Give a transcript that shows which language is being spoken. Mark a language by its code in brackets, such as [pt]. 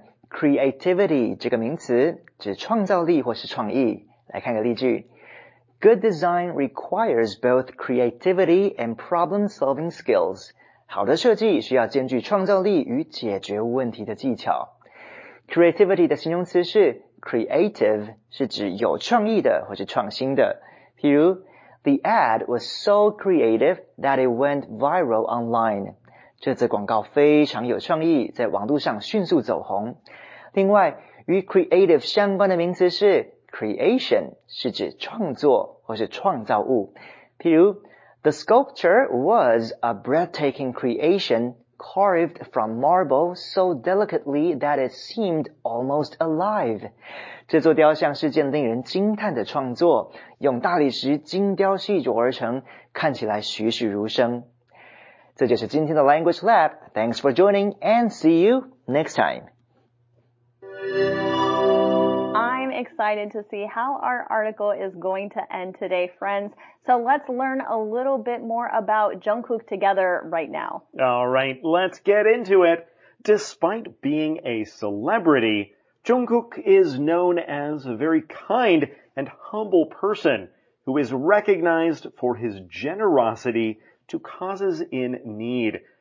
[zh] Creativity 这个名词指创造力或是创意。来看个例句。 [en] Good design requires both creativity and problem-solving skills. [zh] 好的设计需要兼具创造力与解决问题的技巧。 Creativity 的形容词是 creative, 是指有创意的或是创新的。譬如 [en] ,The ad was so creative that it went viral online. [zh] 这则广告非常有创意，在网络上迅速走红。另外，与 creative 相关的名词是 creation, 是指创作或是创造物。譬如 [en] ,The sculpture was a breathtaking creation, carved from marble so delicately that it seemed almost alive. [zh] 这座雕像是件令人惊叹的创作，用大理石精雕细琢而成，看起来栩栩如生。这就是今天的 Language Lab. [en] Thanks for joining and see you next time. I'm excited to see how our article is going to end today, friends. So let's learn a little bit more about Jungkook together right now. All right, let's get into it. Despite being a celebrity, Jungkook is known as a very kind and humble person who is recognized for his generosity to causes in need.